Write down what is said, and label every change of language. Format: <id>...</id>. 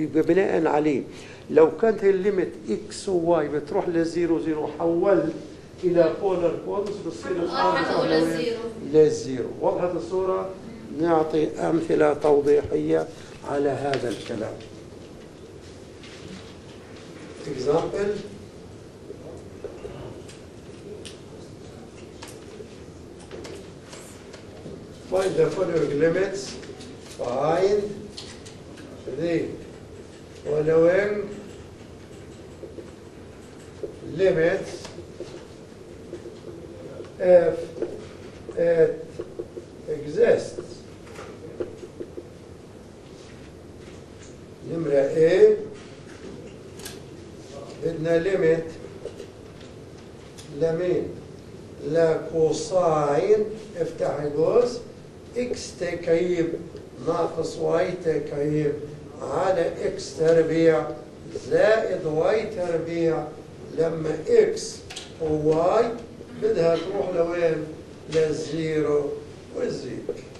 <ar>يبقى بناء عليه لو كانت الليمت إكس وواي بتروح للزيرو زيرو حول إلى بولر كوردس بتصير الآر بتروح للزيرو. وضحت الصورة؟ نعطي أمثلة توضيحية على هذا الكلام.</ar> <en>Example find the following limits. Find the following limits if it exists.</en> <ar>نمرة A بدنا limit لمين؟ لا كوساين افتح القوس x تكعيب ناقص y تكعيب على x تربيع زائد y تربيع لما x و y بدها تروح لوين؟ للزيرو والزيرو.</ar>